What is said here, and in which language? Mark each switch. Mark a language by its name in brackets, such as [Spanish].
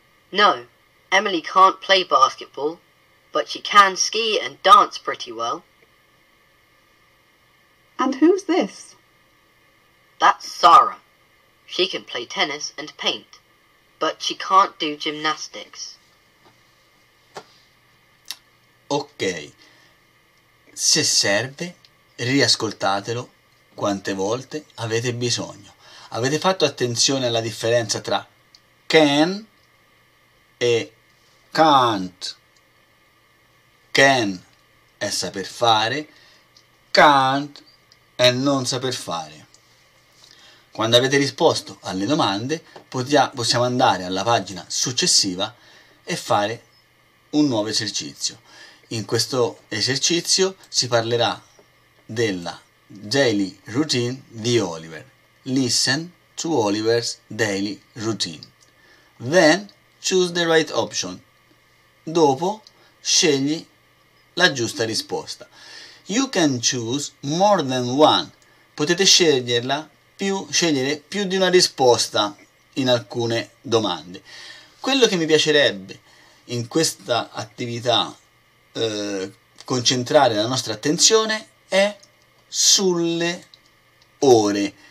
[English] No, Emily can't play basketball, but she can ski and dance pretty well. And who's this? That's Sarah. She can play tennis and paint, but she can't do gymnastics. Ok. [Italian] Se serve, riascoltatelo quante volte avete bisogno. Avete fatto attenzione alla differenza tra can e can't. Can è saper fare, can't è non saper fare. Quando avete risposto alle domande, possiamo andare alla pagina successiva e fare un nuovo esercizio. In questo esercizio si parlerà della [English] daily routine [Italian] di Oliver. [English] Listen to Oliver's daily routine. Then choose the right option. [Italian] Dopo scegli la giusta risposta. [English] You can choose more than one. [Italian] Potete scegliere più di una risposta in alcune domande. Quello che mi piacerebbe in questa attività concentrare la nostra attenzione è sulle ore.